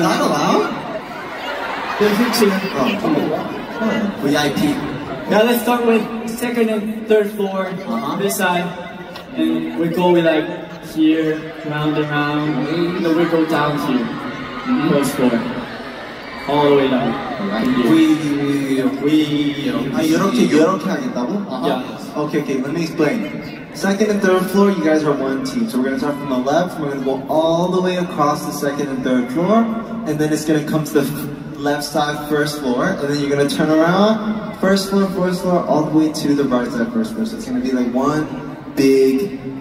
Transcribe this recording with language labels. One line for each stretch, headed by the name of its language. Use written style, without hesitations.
English: not allowed. They're here too. Oh, come on. VIP. Now let's start with second and third floor, uh-huh. this side. And we go with like here, round and round. Mm-hmm. And then we go down here, mm-hmm. first floor. All the way down. We
Korean: 이렇게 이렇게 하겠다고?
English: Yeah. Okay. Let me explain. Second and third floor, you guys are one team. So we're gonna start from the left. We're gonna go all the way across the second and third floor, and then it's gonna come to the left side, first floor, and then you're gonna turn around, first floor, all the way to the right side, first floor. So it's gonna be like one big.